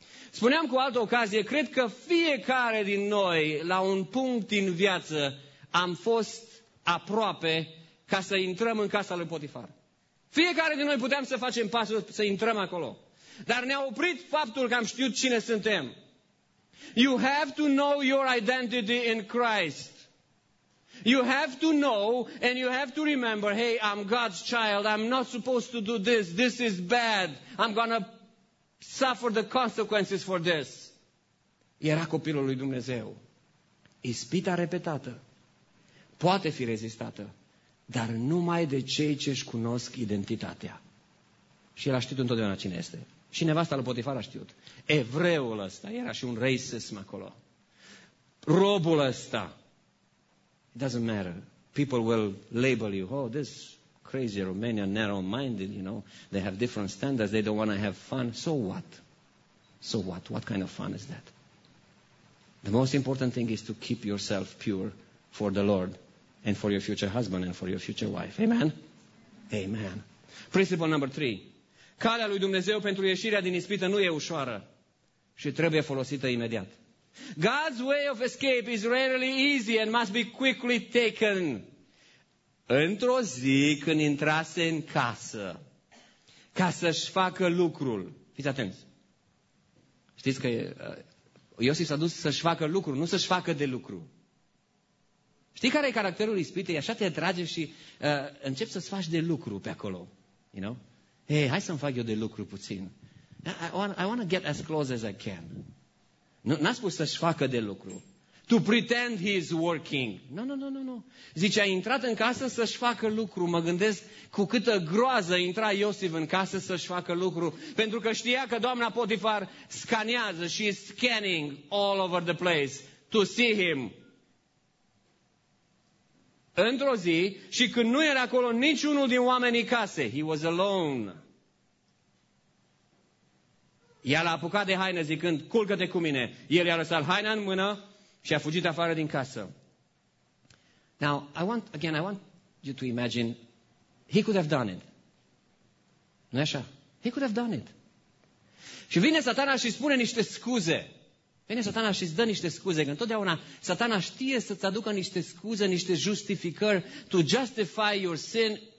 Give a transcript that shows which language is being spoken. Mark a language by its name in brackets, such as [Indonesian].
[Romanian] Spuneam cu altă ocazie, cred că fiecare din noi, la un punct din viață, am fost aproape ca să intrăm în casa lui Potifar. Fiecare din noi puteam să facem pasul să intrăm acolo. Dar ne-a oprit faptul că am știut cine suntem. [English] You have to know your identity in Christ. You have to know and you have to remember, hey, I'm God's child. I'm not supposed to do this. This is bad. I'm going to suffer the consequences for this. [Romanian] era copilul lui Dumnezeu. Ispita repetată poate fi rezistată, dar numai de cei ce își cunosc identitatea. Și el a știut întotdeauna cine este. Și nevasta lui Potifar a știut. Evreul ăsta era și un racism acolo. Robul ăsta. [English] It doesn't matter. People will label you. Oh, this crazy Romanian, narrow-minded, you know. They have different standards. They don't want to have fun. So what? So what? What kind of fun is that? The most important thing is to keep yourself pure for the Lord and for your future husband and for your future wife. Amen? Amen. Principle number 3. [Romanian] Calea lui Dumnezeu pentru ieșirea din ispită nu e ușoară și trebuie folosită imediat. [English] God's way of escape is rarely easy and must be quickly taken. [Romanian] Într-o zi când intrase în casă ca să-și facă lucrul. Fiți atenți. Știți că Iosif s-a dus să-și facă lucrul, nu să-și facă de lucru. Știi care e caracterul ispitei? Așa te atrage și începi să-ți faci de lucru pe acolo. [English] You know? [Romanian] Hei, hai să-mi fac eu de lucru puțin. [English] I want to get as close as I can. [Romanian] N-a spus să-și facă de lucru. [English] To pretend he's working. No. [Romanian] Zice, a intrat în casă să-și facă lucru. Mă gândesc cu câtă groază intra Iosif în casă să-și facă lucru. Pentru că știa că doamna Potifar scanează. [English] She is scanning all over the place to see him. [Romanian] Într-o zi, și când nu era acolo niciunul din oamenii casei, [English] he was alone. [Romanian] Ea l-a apucat de haine zicând, culcă-te cu mine. El i-a lăsat haina în mână și a fugit afară din casă. [English] Now, I want you to imagine, he could have done it. [Romanian] Nu așa? [English] He could have done it. [Romanian] Și vine satana și spune niște scuze. Vine satana și îți dă niște scuze, că întotdeauna satana știe să-ți aducă niște scuze, niște justificări [English] to justify your sin.